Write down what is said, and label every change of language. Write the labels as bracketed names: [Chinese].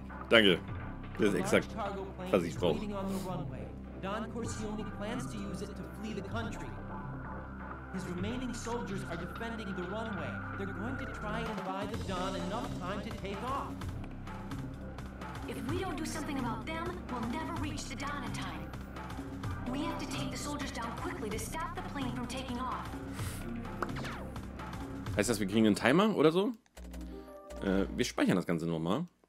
[German] Danke. Das ist exakt, was ich brauche. [English] Don Corcione plans to use it to flee the country. His remaining soldiers are defending the runway. They're going to try and buy the Don enough time to take off. If we don't do something about them, we'll never reach the Don in time. We have to take the soldiers down quickly to stop the plane from taking off. [German] Heißt das, wir kriegen einen Timer oder so? Wir speichern das Ganze nochmal.